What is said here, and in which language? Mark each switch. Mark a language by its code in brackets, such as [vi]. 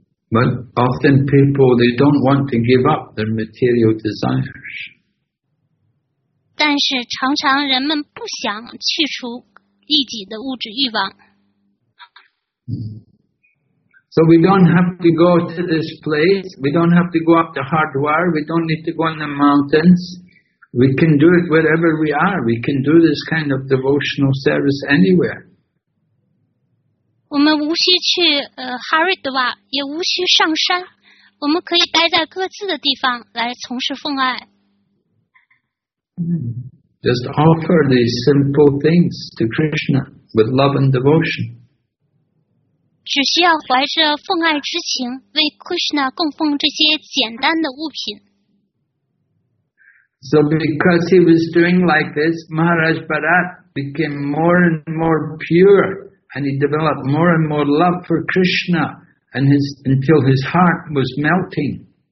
[en] But often people, they don't want to give up their material desires. [zh] 但是常常人们不想去除自己的物质欲望。 [en] So we don't have to go to this place. We don't have to go up to Hardwar. We don't need to go in the mountains. We can do it wherever we are. We can do this kind of devotional service anywhere. [zh] 我们无需去Hardwar, 也无需上山。我们可以待在各自的地方来从事奉爱。 [en] Just offer these simple things to Krishna with love and devotion. [zh] 只需要怀着奉爱之情为 Krishna 供奉这些简单的物品。 [en] So because he was doing like this, Maharaj Bharat became more and more pure, and he developed more and more love for Krishna, and his until his heart was melting.